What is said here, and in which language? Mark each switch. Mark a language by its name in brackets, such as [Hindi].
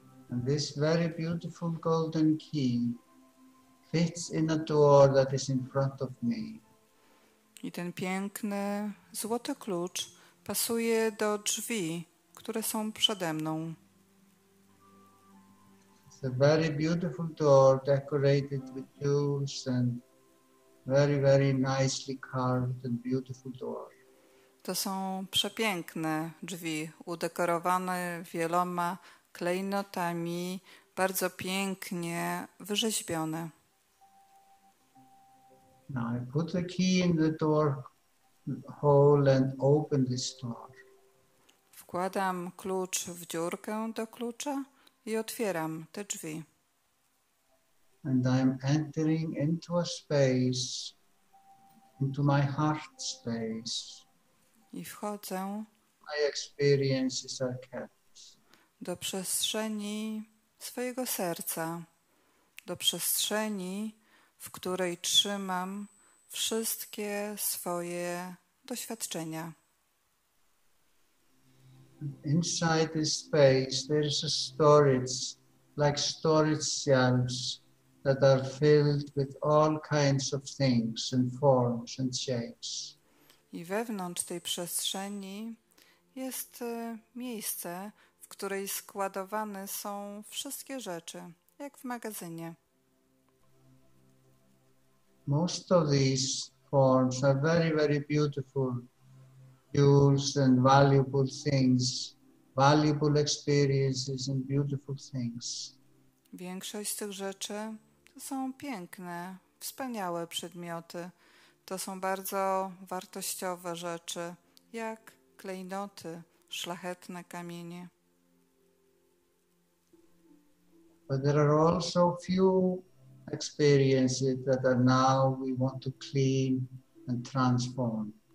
[English] And this very beautiful golden key fits in a door that is in front of me. [Polish] I ten piękny złoty klucz pasuje do drzwi, które są przede mną. [English] It's a very beautiful door decorated with jewels and very, very nicely carved and beautiful door. [Polish] To są przepiękne drzwi, udekorowane wieloma klejnotami, bardzo pięknie wyrzeźbione. [English] Now I put the key in the door hole and open this door. [Polish] Wkładam klucz w dziurkę do klucza i otwieram te drzwi. [English] And I'm entering into a space, into my heart space. [Polish] I wchodzę. [English] My experiences are kept. [Polish] Do przestrzeni swojego serca, do przestrzeni, w której trzymam wszystkie swoje doświadczenia. [English] Inside this space there is a storage, like storage shelves that are filled with all kinds of things and forms and shapes. [Polish] I wewnątrz tej przestrzeni jest miejsce, w której składowane są wszystkie rzeczy, jak w magazynie. [English] Most of these forms are very, very beautiful jewels and valuable things, valuable experiences and beautiful things. [Polish] Większość z tych rzeczy to są piękne, wspaniałe przedmioty. To są bardzo wartościowe rzeczy, jak klejnoty, szlachetne kamienie. [English] But there are also few experiences that are now we want to clean and transform.